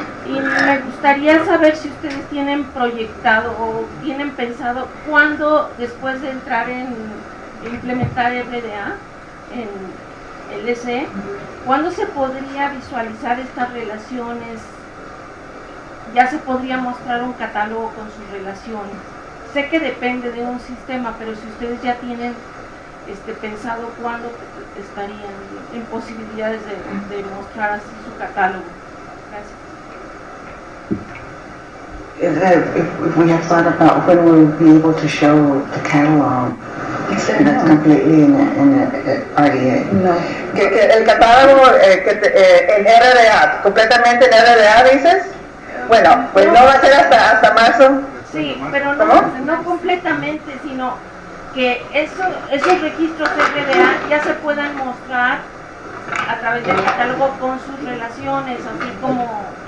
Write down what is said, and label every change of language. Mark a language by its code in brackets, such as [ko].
[es] Y me gustaría saber si ustedes tienen proyectado o tienen pensado cuándo, después de entrar en implementar RDA en LSE, cuándo se podría visualizar estas relaciones, ya se podría mostrar un catálogo con sus relaciones. Sé que depende de un sistema, pero si ustedes ya tienen pensado cuándo estarían en posibilidades de mostrar así su catálogo. Gracias. [en] If we have thought about when we will be able to show the catalog, that's completely in RDA. No. [es] Que el catálogo en RDA, completamente en RDA, dices? Bueno, pues no va a ser hasta marzo. Sí, pero no, ¿cómo? No completamente, sino que esos registros RDA ya se puedan mostrar a través del catálogo con sus relaciones, así como